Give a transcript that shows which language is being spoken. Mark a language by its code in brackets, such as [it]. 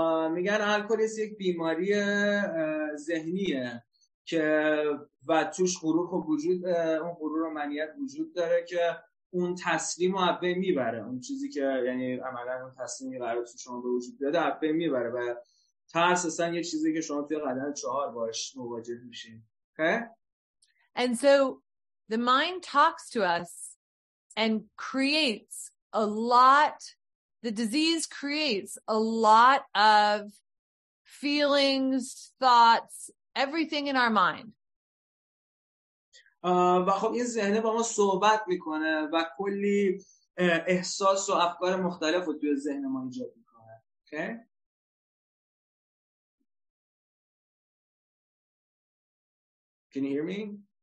[fa] میگن الکلیسم یک بیماری ذهنیه که و توش غرور و وجود اون غرور و منیت وجود داره که اون تسلیم رو عبه میبره، اون چیزی که یعنی عملا اون تسلیمی قرار تو شما به وجود داده عبه میبره و ترس اصلا یه چیزی که شما توی قدم چهار باش مواجه میشین. [en] Okay? And so the mind talks to us and creates a lot. The disease creates a lot of feelings, thoughts, everything in our mind. [fa] و خب این ذهنه با ما صحبت میکنه و کلی احساس و افکار مختلف رو توی ذهن ما ایجاد میکنه. [en] Okay? Can you hear me?